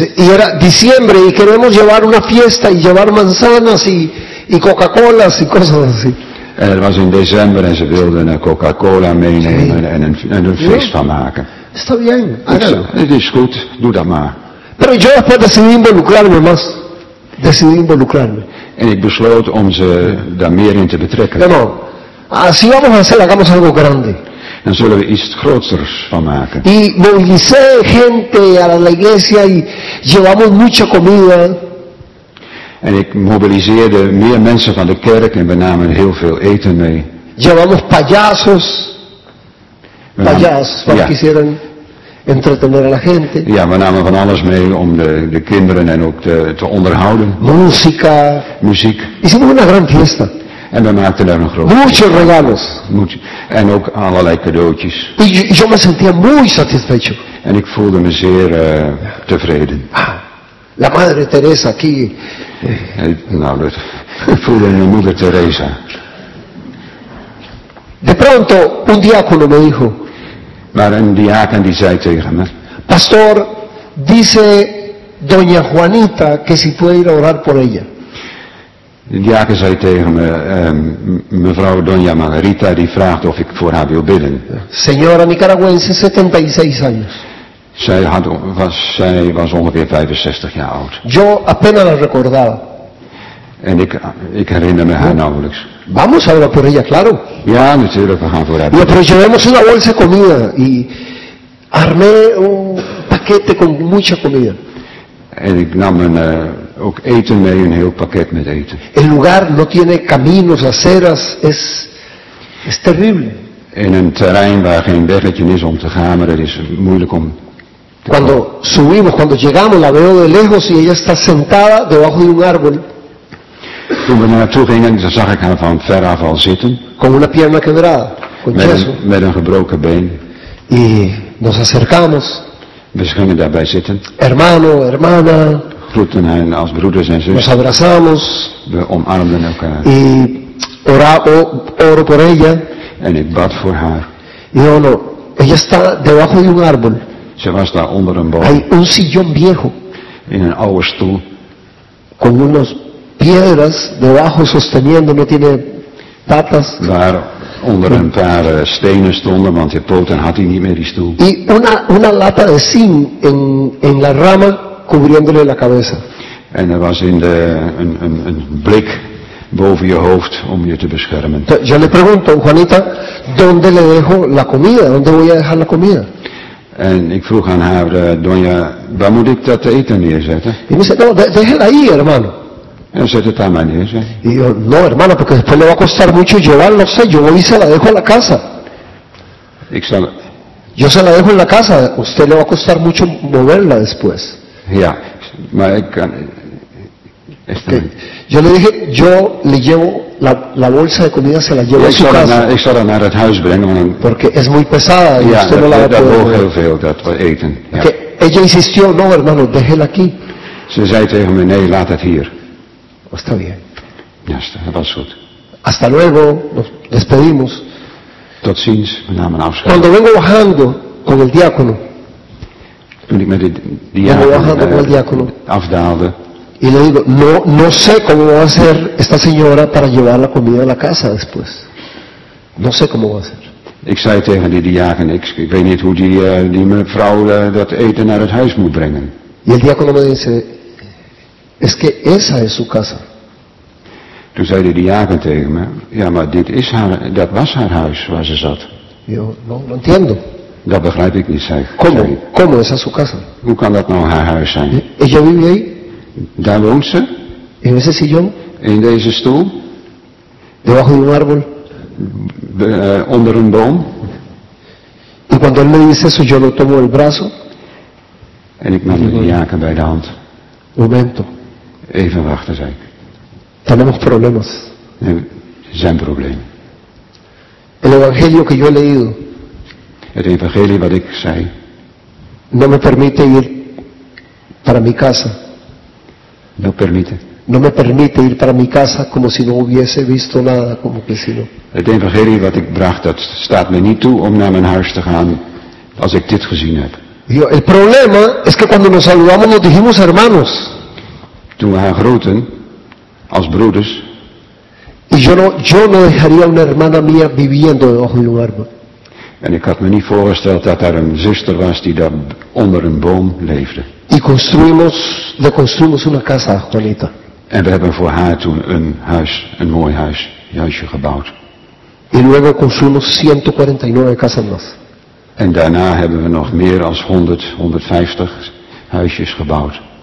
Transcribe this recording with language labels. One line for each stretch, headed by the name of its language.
Spanish: Y era diciembre y queremos llevar una fiesta y llevar manzanas y Coca-Cola y cosas así.
Dutch: En het was in december en ze wilden Coca-Cola meenemen en een feest van maken.
Spanish: Está bien, hágalo.
Dutch: Het is goed, doe dat maar.
Spanish: Pero yo después decidí involucrarme más. Decidí involucrarme.
Dutch: En ik besloot om ze daar meer in te betrekken.
Spanish: No, así vamos a hacer, hagamos algo grande.
Dutch: Dan zullen we iets groters van maken.
Spanish: Y movilicé gente a la iglesia y llevamos mucha comida.
Dutch: En ik mobiliseerde meer mensen van de kerk en we namen heel veel eten mee.
Spanish: Llevamos payasos. Payasos, para que hicieran entretener a la gente.
Dutch: Ja, we namen van alles mee om de kinderen en ook te onderhouden.
Spanish: Música.
Dutch: Muziek.
Spanish: Hicimos una gran fiesta.
Dutch: En we maakten daar een groot.
Spanish: Muchos regalos.
Dutch: En ook allerlei cadeautjes.
Spanish: Yo me sentía muy satisfecho.
Dutch: En ik voelde me zeer tevreden.
Spanish: La madre Teresa aquí.
Dutch: Nou, dat voelde mijn moeder Teresa.
Spanish: De pronto, un diácono me dijo.
Dutch: Maar een diaken die zei tegen me.
Spanish: Pastor, dice doña Juanita que si puede ir a orar por ella.
Dutch: De diaken zei tegen me, mevrouw Doña Margarita, die vraagt of ik voor haar wil bidden.
Spanish: Señora nicaragüense, 76 años.
Dutch: Zij was ongeveer 65 jaar oud.
Spanish: Yo apenas la recordaba.
Dutch: En ik herinner me haar nauwelijks.
Spanish: Vamos a hablar por ella, claro.
Dutch: Ja, natuurlijk, we gaan voor haar bidden.
Spanish: Pero llevamos una bolsa de comida y armé un paquete con mucha comida.
Dutch: En ik nam ook eten mee, een heel pakket met eten.
Spanish: El lugar no tiene caminos, aceras, es terrible.
Dutch: In een terrein waar geen weggetje is om te gaan, maar het is moeilijk om.
Spanish: Cuando subimos, cuando llegamos, la veo de lejos y ella está sentada debajo de un árbol.
Dutch: Toen we naartoe gingen, zag ik haar van ver af al zitten.
Spanish: Con una pierna quebrada, con yeso.
Dutch: Met een gebroken been.
Spanish: Y nos acercamos.
Dutch: We gingen daarbij zitten.
Spanish: Hermano, hermana.
Dutch: Groeten hen als broeders en zusters.
Spanish: Nos abrazamos.
Dutch: We omarmden elkaar.
Spanish: Y oro por ella.
Dutch: En ik bad voor haar.
Spanish: Y no, ella está debajo de un árbol.
Dutch: Ze was daar onder een boom.
Spanish: Hay un sillón viejo.
Dutch: In een oude stoel.
Spanish: Con unas piedras debajo sosteniendo, no tiene patas.
Dutch: Waar onder een paar stenen stonden, want de poten had hij niet meer, die stoel.
Spanish: Y una lata de zinc en la rama cubriéndole la cabeza.
Dutch: En er was in de een blik boven je hoofd om je te beschermen.
Spanish: Yo le pregunto, Juanita, ¿dónde le dejo la comida? ¿Dónde voy a dejar la comida?
Dutch: En ik vroeg aan haar, Doña, waar moet ik dat eten neerzetten?
Spanish: Y me dice, no, déjela ahí, hermano.
Dutch: En zet het daar maar neer, zeg.
Spanish: Y yo, no, hermano, porque después le va a costar mucho llevarlo, no sé, yo voy y se la dejo en la casa. Yo se la dejo en la casa, usted le va a costar mucho moverla después.
Dutch: Ya, maar ik kan.
Spanish: Yo le dije, yo le llevo la bolsa de comida, se la llevo a su casa.
Dutch: Ik zal haar naar het huis brengen.
Spanish: Porque es muy pesada y usted no la va a poder.
Dutch: Dat woog heel veel, dat eten. Ja.
Spanish: Ella insistió, no, hermano, déjela aquí.
Dutch: Ze zei tegen me, nee, laat het hier.
Spanish: Está bien.
Dutch: Ja, dat was goed.
Spanish: Hasta luego, nos despedimos.
Dutch: Tot ziens, we namen afscheid.
Spanish: Cuando vengo bajando con el diácono.
Dutch: Toen ik met de diácono afdaalde.
Spanish: Y le digo, no sé cómo va a hacer esta señora para llevar la comida a la casa después. No sé cómo va a hacer.
Dutch: Ik zei tegen die diaken, ik weet niet hoe die mevrouw dat eten naar het huis moet brengen.
Spanish: Y el diácono me dice, Es que esa es su casa.
Dutch: Toen zei de diaken tegen me, ja, maar dit is haar, dat was haar huis waar ze zat.
Spanish: Yo no lo entiendo.
Dutch: Dat begrijp ik niet, zei.
Spanish: ¿Cómo? ¿Cómo es a su casa?
Dutch: Hoe kan dat nou haar huis zijn?
Spanish: Ella vive ahí.
Dutch: Daar woont ze.
Spanish: En ese sillón.
Dutch: In deze stoel.
Spanish: Debajo de un árbol.
Dutch: Onder een boom.
Spanish: Y cuando él me dice eso, yo lo tomo el brazo.
Dutch: En ik nam de diaken bij de hand.
Spanish: Momento.
Dutch: Even wachten, zei ik.
Spanish: Tenemos problemas.
Dutch: Zijn problemen.
Spanish: El evangelio que yo he leído.
Dutch: Het evangelie wat ik zei.
Spanish: No me permite ir para mi casa. No permite. No me permite ir para mi casa como si no hubiese visto nada, como que si no.
Dutch: Het evangelie wat ik bracht, dat staat me niet toe om naar mijn huis te gaan als ik dit gezien heb.
Spanish: Yo, el problema es que cuando nos saludamos nos dijimos hermanos.
Dutch: Toen we haar groeten als broeders.
Spanish: Y yo no dejaría una hermana mía viviendo debajo de un árbol.
Dutch: En ik had me niet voorgesteld dat daar een zuster was die daar onder een boom leefde.
Spanish: Y construimos, le construimos una casa, Juanita.
Dutch: En we hebben voor haar toen een huis, een mooi huis, een huisje gebouwd.
Spanish: Y luego construimos 149 casas más.
Dutch: En daarna hebben we nog meer dan 100, 150 huisjes gebouwd.